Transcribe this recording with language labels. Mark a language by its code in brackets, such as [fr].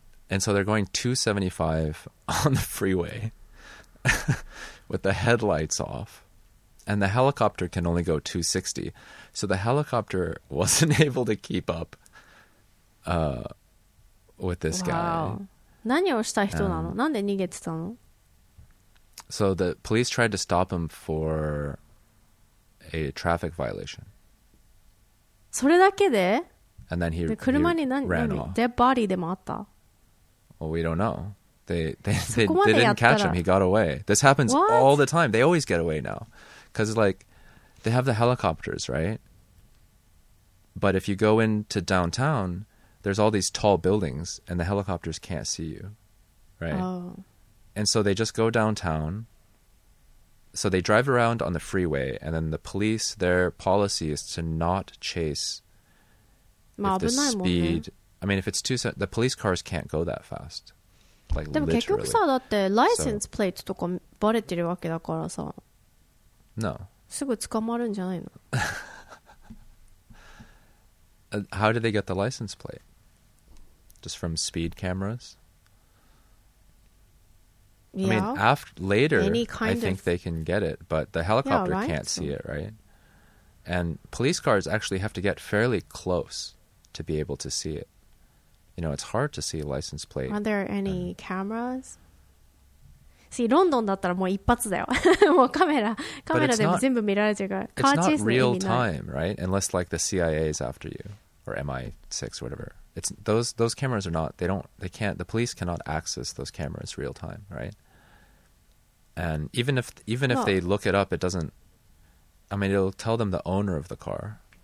[en] And so they're going 275 on the freeway with the headlights off. And the helicopter can only go 260. So the helicopter wasn't able to keep up with this guy. [ja] 何をした人なの？なんで逃げてたの？ [en] So the police tried to stop him for a traffic violation. [ja] それだけで？ [en] And then he ran off. [ja] 車に何？ [en] Dead body [ja] でもあった？ [en] Well, we don't know. They didn't catch him. He got away. This happens all the time. They always get away now. Because, like, they have the helicopters, right? But if you go into downtown, there's all these tall buildings, and the helicopters can't see you, right? And so they just go downtown, So they drive around on the freeway, and then the police, their policy is to not chase if the speed. I mean, if it's too, the police cars can't go that fast. Like, [ja] でも [en] literally. [ja] 結局さ、だってライセンスプレートとかバレてるわけだからさ。 [en] No. [ja] すぐ捕まるんじゃないの? [en] How did they get the license plate? Just from speed cameras? Yeah. I mean, after, later, I think they can get it, but the helicopter can't see it, right? And police cars actually have to get fairly close to be able to see it. You know, it's hard to see a license plate. Are there any cameras? See, London, [ja] だったらもう一発だよ。もうカメラ、カメラでも全部見られてるから。 [en] But it's not real time, right? Unless like the CIA is after you or MI6 or whatever. It's those cameras are not. The police cannot access those cameras real time, right? And even if they look it up, it doesn't. I mean, it'll tell them the owner of the car.